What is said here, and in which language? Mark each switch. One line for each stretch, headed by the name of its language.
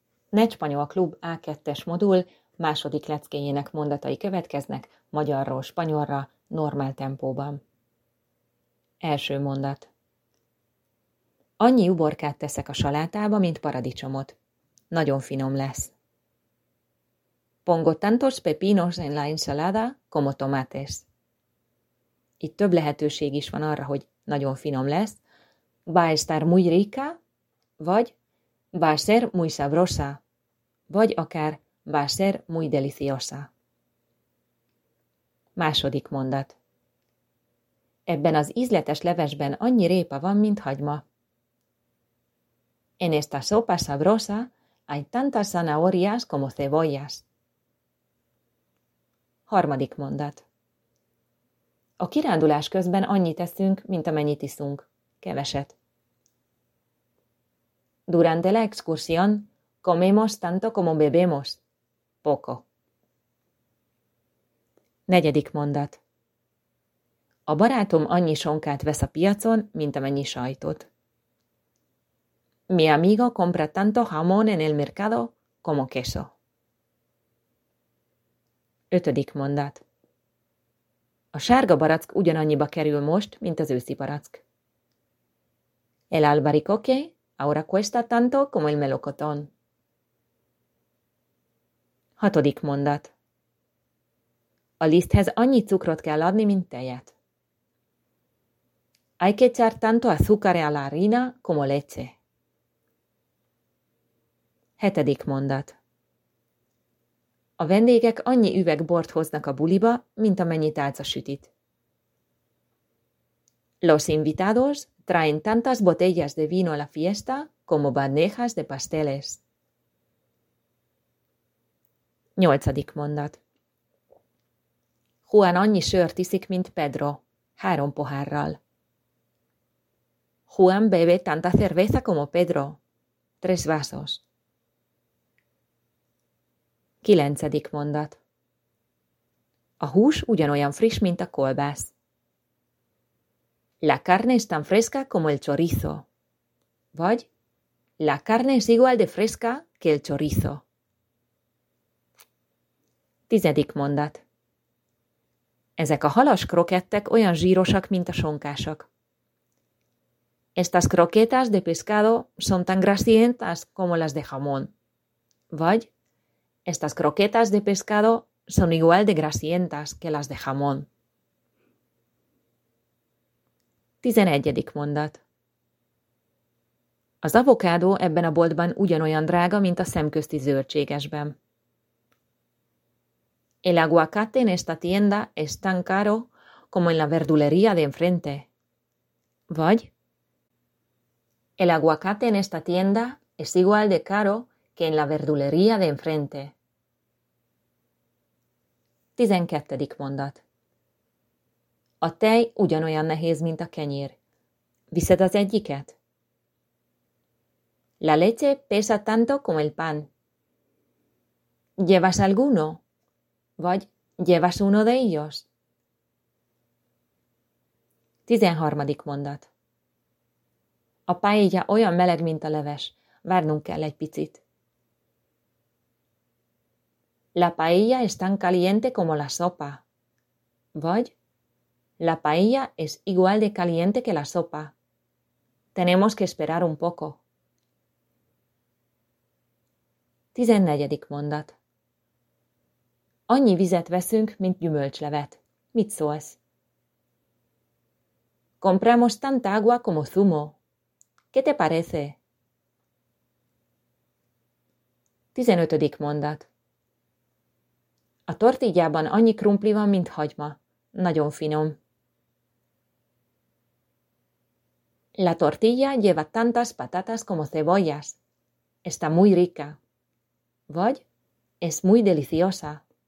Hungarian: Necspanyol Klub A2-es modul második leckéjének mondatai következnek magyarról spanyolra normál tempóban. Első mondat. Annyi uborkát teszek a salátába, mint paradicsomot. Nagyon finom lesz.
Spanish: Pongo tantos pepinos en la ensalada como tomates.
Hungarian: Itt több lehetőség is van arra, hogy nagyon finom lesz.
Spanish: Va a estar muy rica,
Hungarian: vagy
Spanish: va a ser muy sabrosa,
Hungarian: vagy akár
Spanish: va a ser muy deliciosa.
Hungarian: Második mondat. Ebben az ízletes levesben annyi répa van, mint hagyma.
Spanish: En esta sopa sabrosa hay tantas zanahorias como cebollas.
Hungarian: Harmadik mondat. A kirándulás közben annyit eszünk, mint amennyit iszunk. Keveset.
Spanish: Durante la excursión comemos tanto como bebemos. Poco.
Hungarian: Negyedik mondat. A barátom annyi sonkát vesz a piacon, mint amennyi sajtot.
Spanish: Mi amigo compra tanto jamón en el mercado como queso.
Hungarian: Ötödik mondat. A sárga barack ugyanannyiba kerül most, mint az őszi barack.
Spanish: El albaricoque ahora cuesta tanto como el melocotón.
Hungarian: Hatodik mondat. A liszthez annyi cukrot kell adni, mint tejet.
Spanish: Hay que echar tanto azúcar a la harina como leche.
Hungarian: Hetedik mondat. A vendégek annyi üveg bort hoznak a buliba, mint amennyi tálca sütit.
Spanish: Los invitados traen tantas botellas de vino a la fiesta como bandejas de pasteles.
Hungarian: Nyolcadik mondat. Juan annyi sört iszik, mint Pedro, három pohárral.
Spanish: Juan bebe tanta cerveza como Pedro, tres vasos.
Hungarian: Kilencedik mondat. A hús ugyanolyan friss, mint a kolbász.
Spanish: La carne es tan fresca como el chorizo.
Hungarian: Vagy
Spanish: la carne es igual de fresca que el chorizo.
Hungarian: Tizedik mondat. Ezek a halas krokettek olyan zsírosak, mint a sonkásak.
Spanish: Estas croquetas de pescado son tan grasientas como las de jamón.
Hungarian: Vagy
Spanish: estas croquetas de pescado son igual de grasientas que las de jamón.
Hungarian: Tizenegyedik mondat. Az avokádó ebben a boltban ugyanolyan drága, mint a szemközti zöldségesben.
Spanish: El aguacate en esta tienda es tan caro como en la verdulería de enfrente.
Hungarian: Vagy
Spanish: el aguacate en esta tienda es igual de caro que en la verdulería de enfrente.
Hungarian: Tizenkettedik mondat. A tej ugyanolyan nehéz, mint a kenyér. Viszed az egyiket?
Spanish: La leche pesa tanto como el pan. ¿Llevas alguno?
Hungarian: Vagy
Spanish: ¿llevas uno de ellos?
Hungarian: Tizenharmadik mondat. A paella olyan meleg, mint a leves. Várnunk kell egy picit.
Spanish: La paella es tan caliente como la sopa.
Hungarian: Vagy
Spanish: la paella es igual de caliente que la sopa. Tenemos que esperar un poco.
Hungarian: Tizennegyedik mondat. Annyi vizet veszünk, mint gyümölcslevet. Mit szólsz?
Spanish: Compramos tanta agua como zumo. ¿Qué te parece?
Hungarian: Tizenötödik mondat. A tortillában annyi krumpli van, mint hagyma. Nagyon finom.
Spanish: La tortilla lleva tantas patatas como cebollas. Está muy rica.
Hungarian: Vagy
Spanish: es muy deliciosa.